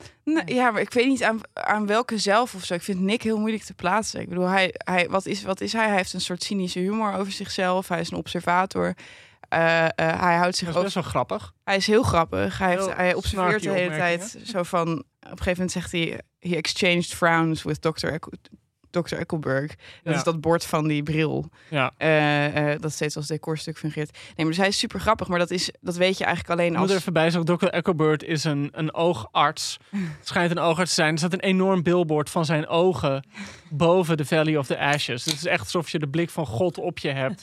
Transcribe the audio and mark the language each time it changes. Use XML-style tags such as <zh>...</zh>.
<nl>Maar ik weet niet aan welke zelf of zo. Ik vind Nick heel moeilijk te plaatsen. Ik bedoel, wat is hij? Hij heeft een soort cynische humor over zichzelf. Hij is een observator. hij houdt zich ook... Dat is best wel grappig. Hij is heel grappig. Hij observeert de hele tijd zo van... Op een gegeven moment zegt hij...</nl> <en>He exchanged frowns with Dr.</en> <nl>Eckelberg. Dat is dat bord van die bril. Ja. Dat steeds als decorstuk fungeert. Nee, maar dus hij is super grappig. Maar dat weet je eigenlijk alleen moet er voorbij zeggen. Dr. Eckelberg is een oogarts. Schijnt een oogarts te zijn. Er staat een enorm billboard van zijn ogen... boven de Valley of the Ashes. Dus het is echt alsof je de blik van God op je hebt.</nl>